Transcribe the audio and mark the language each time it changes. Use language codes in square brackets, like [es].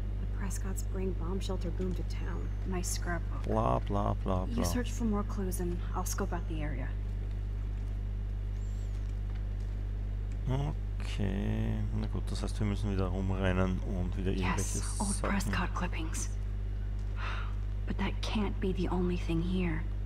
[en] The Prescotts bring bomb shelter boom to town. Nice scrapbook. Blah, blah, blah, blah. You search for more clues and I'll scope out the area. [de] Okay, na gut, das heißt, wir müssen wieder rumrennen und wieder irgendwelche Sachen. [en] Yes, old Prescott clippings. But that can't be the only thing here.